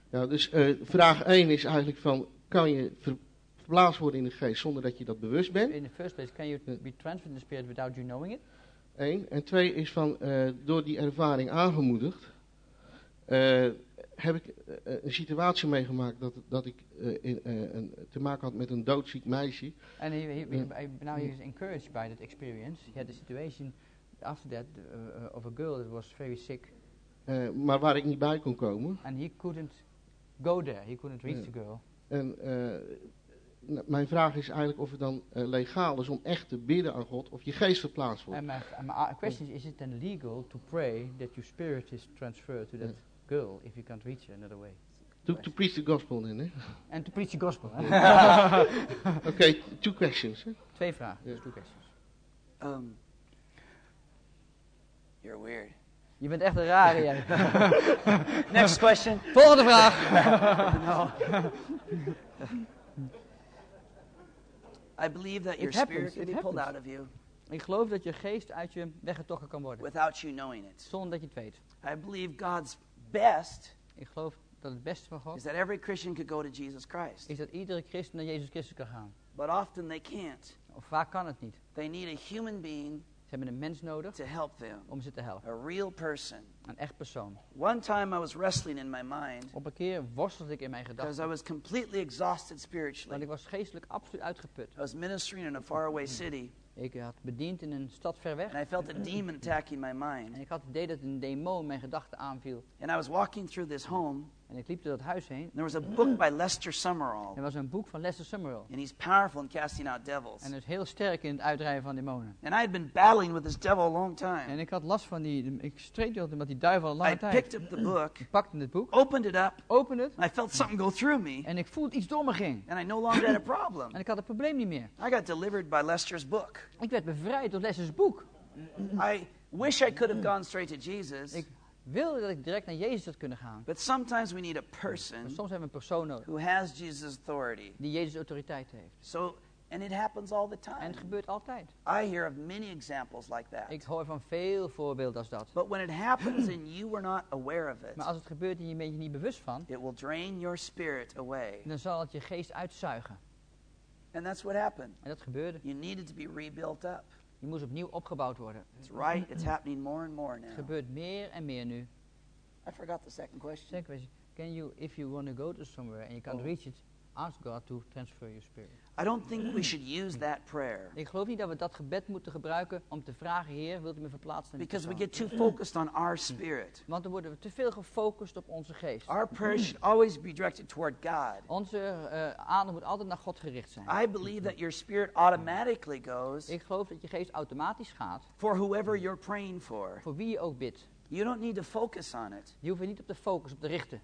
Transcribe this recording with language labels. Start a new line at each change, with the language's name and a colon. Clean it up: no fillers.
Dutch: Ja, dus vraag 1 is eigenlijk van, kan je verplaatst worden in de geest zonder dat je dat bewust bent?
English: In the first place, can you be transferred in the spirit without you knowing it? 1.
Dutch: En 2 is van, door die ervaring aangemoedigd, heb ik een situatie meegemaakt dat ik te maken had met een doodziek meisje.
English: And now he is encouraged by that experience. He had a situation after that of a girl that was very sick.
Dutch: Maar waar ik niet bij kon komen.
English: And he couldn't go there, he couldn't reach the girl.
Dutch: En mijn vraag is eigenlijk of het dan legaal is om echt te bidden aan God of je geest verplaatst wordt.
English: My question is it then legal to pray that your spirit is transferred to that girl if you can't reach her another way? To preach the gospel then, eh? And to preach the gospel. Okay, two questions. Eh?
Dutch: Twee vragen,
English: yeah. Two questions. You're weird.
Dutch: Je bent echt een rare, jij.
English: Next question.
Dutch: Volgende vraag.
English: I believe that your spirit can be pulled out of you.
Dutch: Ik geloof dat je geest uit je weggetrokken kan worden.
English: Without you knowing it.
Dutch: Zonder dat je het weet.
English: I believe God's best.
Dutch: Ik geloof dat het beste van God.
English: Is that every Christian could go to Jesus Christ.
Dutch: Is dat iedere christen naar Jezus Christus kan gaan.
English: But often they can't.
Dutch: Of vaak kan het niet.
English: They need a human being.
Dutch: Ze hebben een mens nodig.
English: To help them.
Dutch: Om ze te helpen.
English: A real person.
Dutch: Een echt persoon.
English: One time I was wrestling in my mind.
Dutch: Op een keer worstelde ik in mijn gedachten.
English: Because I was completely exhausted spiritually.
Dutch: Want ik was geestelijk absoluut uitgeput.
English: I was ministering in a faraway city.
Dutch: Ik had bediend in een stad ver weg.
English: And I felt a demon attacking my mind.
Dutch: En ik had het idee dat een demon mijn gedachten aanviel.
English: And I was walking through this home.
Dutch: En ik liep door dat huis heen.
English: There was a book by Lester Summerall.
Dutch: Er was een boek van Lester Summerall.
English: And he's powerful in casting out devils.
Dutch: En hij is heel sterk in het uitdrijven van demonen.
English: And I had been battling with this devil a long time.
Dutch: En ik had last van die, ik streed met die duivel al een lange tijd.
English: I picked up the book.
Dutch: Ik pakte het boek.
English: Opened it up. Opened it. And I felt something go through me.
Dutch: En ik voelde iets door me ging.
English: And I no longer had a problem.
Dutch: En ik had het probleem niet meer.
English: I got delivered by Lester's book.
Dutch: Ik werd bevrijd door Lester's boek.
English: I wish I could have gone straight to Jesus.
Dutch: Ik wilde dat ik direct naar Jezus had kunnen gaan.
English: But sometimes we need a person.
Dutch: Maar soms hebben we een persoon nodig.
English: Who has Jesus' authority.
Dutch: Die Jezus' autoriteit heeft.
English: So, and it happens all the time.
Dutch: En het gebeurt altijd.
English: I hear of many examples like that.
Dutch: Ik hoor van veel voorbeelden als dat.
English: But when it happens and you were not aware of it.
Dutch: Maar als het gebeurt en je bent je niet bewust van.
English: It will drain your spirit away.
Dutch: Dan zal het je geest uitzuigen.
English: And that's what happened.
Dutch: En dat gebeurde.
English: You needed to be rebuilt up.
Dutch: Je moest opnieuw opgebouwd worden.
English: It's right. It's happening more and more now.
Dutch: Het gebeurt meer en meer nu.
English: I forgot the second question. Second question. Can you, if you want to go to somewhere and you can't reach it, ask God to transfer your spirit. I don't think we should use that prayer.
Dutch: Ik geloof niet dat we dat gebed moeten gebruiken om te vragen, Heer, wilt u me verplaatsen?
English: Because we get too focused on our spirit.
Dutch: Want dan worden we te veel gefocust op onze geest.
English: Our prayer should always be directed toward God.
Dutch: Onze aandacht moet altijd naar God gericht zijn.
English: I believe that your spirit automatically goes.
Dutch: Ik geloof dat je geest automatisch gaat.
English: For whoever you're praying for.
Dutch: Voor wie je ook bidt.
English: You don't need to focus on it.
Dutch: Je hoeft niet op de focus op te richten.